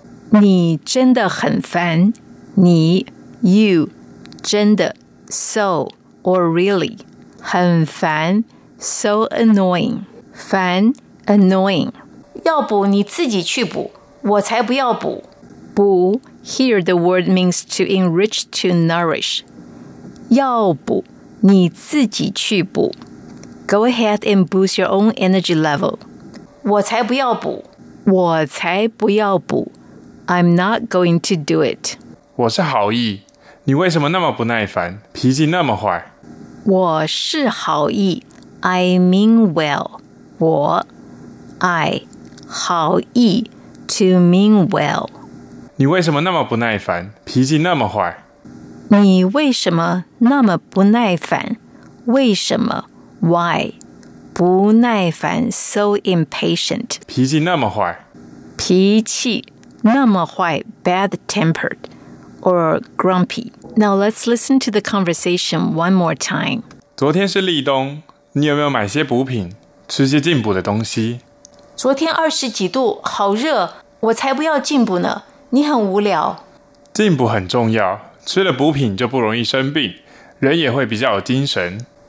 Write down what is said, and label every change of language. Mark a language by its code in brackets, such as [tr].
[zh] 你真的很烦,要补你自己去补,我才不要补。你真的很烦,你, [en] you, 真的, so, or really. 很烦, so annoying. 烦, annoying. [zh] 要补你自己去补,我才不要补。 [en] Bu, here the word means to enrich, to nourish. [zh] 要补,你自己去补. [en] Go ahead and boost your own energy level. [zh] 我才不要补。我才不要补. [en] I'm not going to do it. [zh] 我是好意,你为什么那么不耐烦,脾气那么坏? 我是好意, [en] I mean well. 我, I, 好意, to mean well. [zh] 你为什么那么不耐烦,脾气那么坏? 你为什么那么不耐烦,为什么, why, 不耐烦, [en] so impatient. [zh] 脾气那么坏? 脾气那么坏 [en] bad tempered, or grumpy. Now let's listen to the conversation one more time. [zh] 昨天是立冬，你有没有买些补品，吃些进补的东西？昨天二十几度，好热，我才不要进补呢，你很无聊。进补很重要，吃了补品就不容易生病，人也会比较有精神。